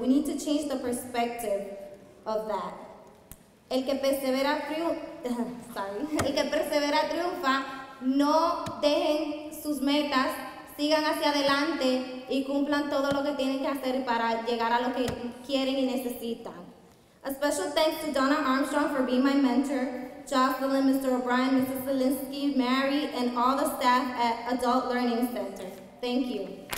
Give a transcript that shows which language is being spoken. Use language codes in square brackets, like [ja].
[en] We need to change the perspective of that. [es] El que persevera triunfa, no dejen sus metas, sigan hacia adelante y cumplan todo lo que tienen que hacer para llegar a lo que quieren y necesitan. [en] A special thanks to Donna Armstrong for being my mentor, Jocelyn, Mr. O'Brien, Mrs. Zielinski, Mary, and all the staff at Adult Learning Center. Thank you.